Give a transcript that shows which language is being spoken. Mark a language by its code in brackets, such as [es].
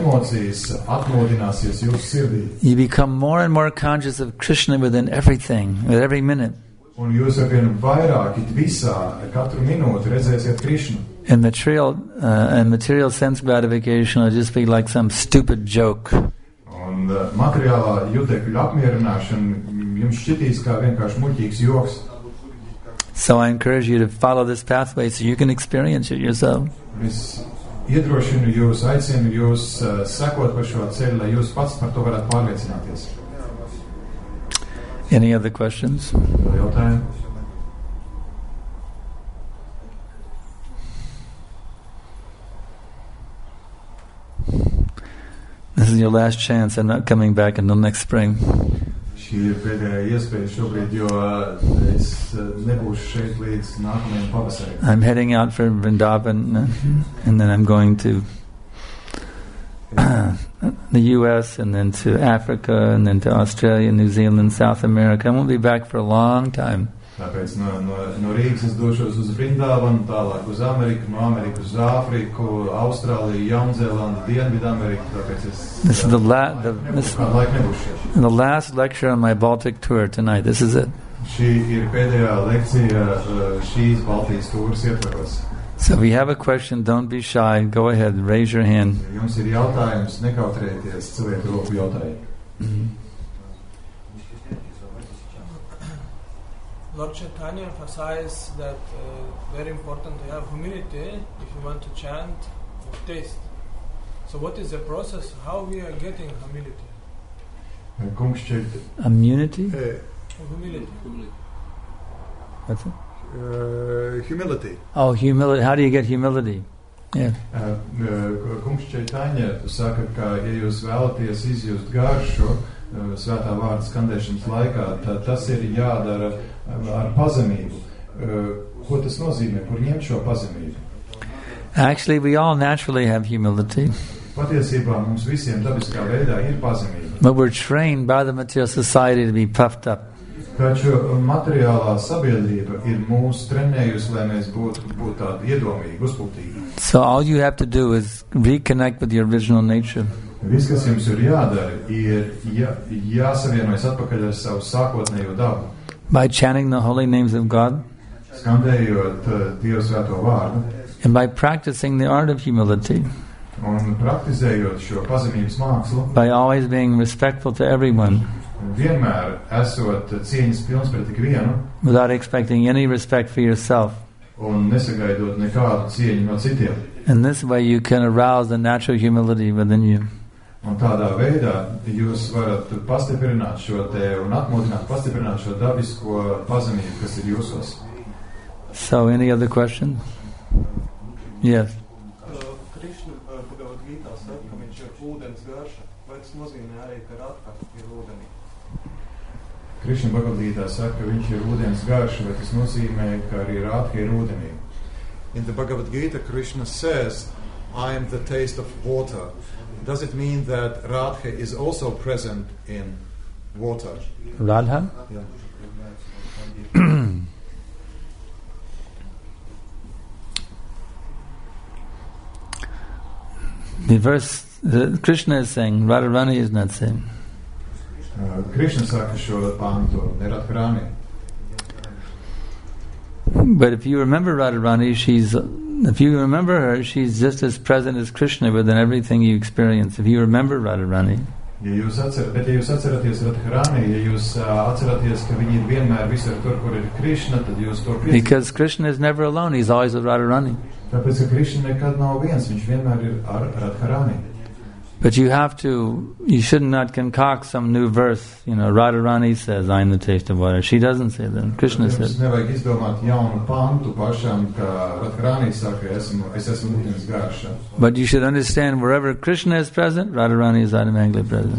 [en] You become more and more conscious of Krishna within everything, with every minute. [lv] Un jūs arvien vairāk it visā katru minūti redzēsiet Krishna. [en] In material and material sense gratification will just be like some stupid joke. [lv] Un materiālā jūtekļu apmierināšana jums šķitīs kā vienkārši muļķīgs joks. [en] So I encourage you to follow this pathway so you can experience it yourself. [lv] Es iedrošinu jūs, aicinu jūs sekot pa šo ceļu, lai jūs pats par to varat pārliecināties. [en] Any other questions? Real time. This is your last chance. I'm not coming back until next spring. [lv] Šī ir pēdējā iespēja šobrīd, jo es nebūšu šeit līdz nākamajam pavasarim. [en] I'm heading out for Vrindavan and then I'm going to the U.S. and then to Africa and then to Australia, New Zealand, South America. I won't be back for a long time. [lv] Tāpēc no Rīgas es došos uz Vrindavanu, tālāk uz Ameriku, no Amerikas uz Āfriku, Austrāliju, Jaunzēlandu, Dienvidāmeriku. Tāpēc es [en] The last lecture on my Baltic tour tonight. This is it. [lv] Šī ir pēdējā lekcija šīs Baltijas tūras ietvaros. [en] So if you have a question, don't be shy. Go ahead and raise your hand. [lv] Jums ir jautājums, nekautrēties, cilvēki roku jautājumu. [en] Lord Chaitanya emphasized that very important to have humility if you want to chant or taste. So what is the process? How we are getting humility? Immunity? Humility. That's it? Humility. Oh, humility. How do you get humility? [lv] Kungs Čaitaņa saka, ka ja jūs vēlaties izjust garšu svētā vārda skandēšanas laikā, tad tas ir jādara ar pazemību. Ko tas nozīmē? Kur ņemt šo pazemību? [en] Actually, we all naturally have humility. [lv] Patiesībā mums visiem dabiskā veidā ir pazemība. [en] But we're trained by the material society to be puffed up. [lv] Taču materiālā sabiedrība ir mūsu trenējus, lai mēs būtu tādi iedomīgi, uzpūtīgi. [en] So all you have to do is reconnect with your original nature. [lv] Viss, kas jums ir jādara, ir jāsavienojas atpakaļ ar savu sākotnējo dabu. [en] By chanting the holy names of God. [lv] Skandējot Dieva svēto vārdu. [en] And by practicing the art of humility. [lv] Un praktizējot šo pazemības mākslu. [en] By always being respectful to everyone. [lv] Vienmēr esot cieņas pilns pret ikvienu. [en] Without expecting any respect for yourself. [lv] Un nesagaidot nekādu cieņu no citiem. [en] In this way you can arouse the natural humility within you. [lv] Un tādā veidā jūs varat pastiprināt šo te un atmodināt, pastiprināt šo dabisko pazemību, kas ir jūsos. [en] So, any other question? Yes. [lv] Krišna Bhagavad Gītā saka, ka viņš ir ūdens garša, vai tas nozīmē arī, ka ir atkārtīgi ūdenī? Krišna Bhagavad Gītā saka, ka viņš ir ūdens garša, vai tas nozīmē, ka arī ir atkārtīgi ūdenī? [en] In the Bhagavad Gītā, Krishna says, I am the taste of water. Does it mean that Radha is also present in water? Radha? Yeah. The verse Krishna is saying, Radharani is not saying. [lv] Krishna saka šo pantu, Radharani. [en] But if you remember Radharani, she's just as present as Krishna within everything you experience. If you remember Radharani. [lv] Ja jūs atceraties Radharani, ja jūs atceraties, ka viņi ir vienmēr visur tur, kur ir Krishna, tad jūs to piedzīvojat. [en] Because Krishna is never alone, he's always with Radharani. [lv] Tāpēc, ka Krishna nekad nav viens, viņš vienmēr ir ar Radharani. [en] But you should not concoct some new verse, you know, Radharani says, I am the taste of water. She doesn't say that, Krishna says. [lv] Jums nevajag izdomāt jaunu pantu pašam, ka Radharani saka, es esmu ūdens garša. [en] But you should understand, wherever Krishna is present, Radharani is automatically present.